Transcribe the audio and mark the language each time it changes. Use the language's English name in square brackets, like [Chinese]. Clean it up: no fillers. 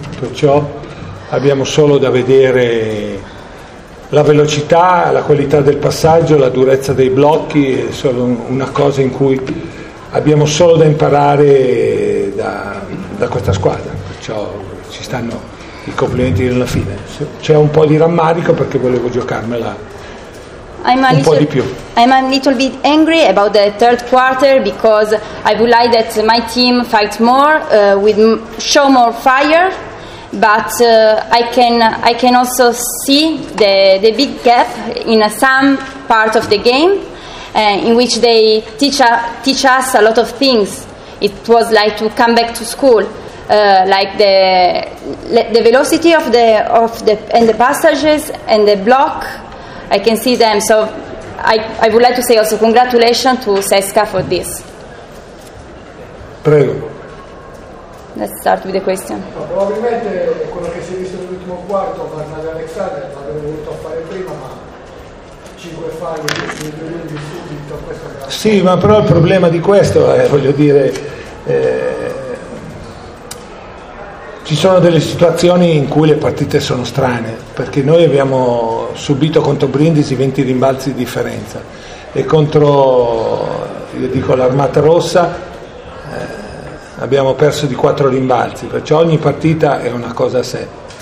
[Italian] Perciò abbiamo solo da vedere la velocità, la qualità del passaggio, la durezza dei blocchi, è solo una cosa in cui abbiamo solo da imparare da questa squadra, perciò ci stanno i complimenti nella fine. C'è un po' di rammarico perché volevo giocarmela un po' di più. [English] I'm a little bit angry about the third quarter because I would like that my team fight more, with show more fire. But I can also see the big gap in some part of the game, in which they teach us a lot of things. It was like to come back to school, like the velocity of the and the passages and the block. I can see them. So I would like to say also congratulations to Cesca for this. [Italian] Prego. [English] Let's start with the question. [Italian] Probabilmente quello che si è visto nell'ultimo quarto, Bernard Alexander, l'avevo voluto fare prima, ma 5 falli, 10 minuti subito, questo è... Sì, ma però il problema di questo è, voglio dire, ci sono delle situazioni in cui le partite sono strane, perché noi abbiamo subito contro Brindisi 20 rimbalzi di differenza e contro, io dico, l'Armata Rossa abbiamo perso di 4 rimbalzi, perciò ogni partita è una cosa a sé.